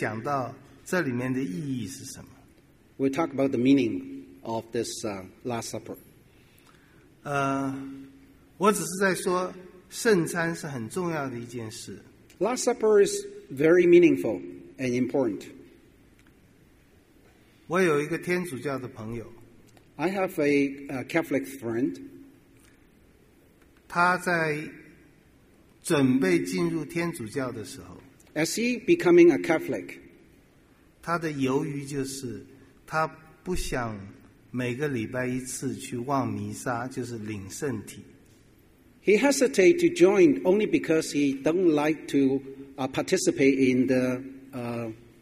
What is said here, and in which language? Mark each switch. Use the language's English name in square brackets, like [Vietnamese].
[Chinese] 我们会讲到这里面的意义是什么。 [English] We'll talk about the meaning of this Last Supper. [Chinese] 我只是在说圣餐是很重要的一件事。Last [English] Supper is very meaningful and important. [Chinese] 我有一个天主教的朋友, [English] I have a Catholic friend. [Chinese] 他在准备进入天主教的时候, [English] as he becoming a Catholic, [Chinese] 他的犹豫就是, 他不想每个礼拜一次去望弥撒, 就是领圣体。 [English] He hesitated to join only because he don't like to participate in the